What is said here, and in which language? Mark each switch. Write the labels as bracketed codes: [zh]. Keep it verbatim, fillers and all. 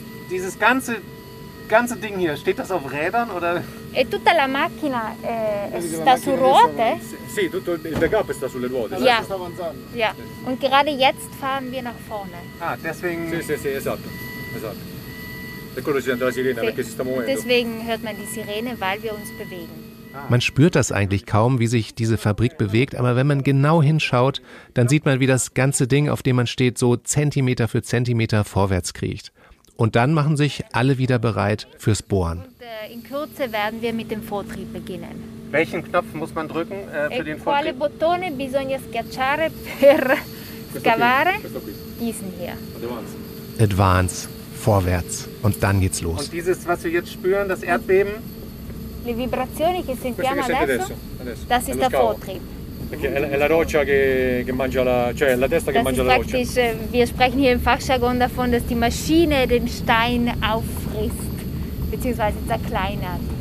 [de] Dieses ganze ganze Ding hier, steht das auf Rädern oder? [it] Tutta la macchina sta su ruote. Sì, tutto il backup sta sulle ruote. [de] Ja. Ja. Und gerade jetzt fahren wir nach vorne. Ah, deswegen. [it] Sì, sì, sì, esatto. Esatto. E quello si sente la sirena perché si sta muovendo. [de] Deswegen hört man die Sirene, weil wir uns bewegen. Man spürt das eigentlich kaum, wie sich diese Fabrik bewegt, aber wenn man genau hinschaut, dann sieht man, wie das ganze Ding, auf dem man steht, so Zentimeter für Zentimeter vorwärts kriecht. Und dann machen sich alle wieder bereit fürs Bohren. Und, äh, in Kürze werden wir mit dem Vortrieb beginnen. Welchen Knopf muss man drücken äh, für [it] e [de] den Vortrieb? [it] Quale bottone bisogna schiacciare per scavare? [de] Diesen hier. Advance. Advance, vorwärts. Und dann geht's los. Und dieses, was wir jetzt spüren, das Erdbeben? [it] Le vibrazioni che sentiamo adesso, [de] das ist der Vortrieb. Praktisch, wir sprechen hier im Fachjargon davon, dass die Maschine den Stein auffrisst, beziehungsweise zerkleinert.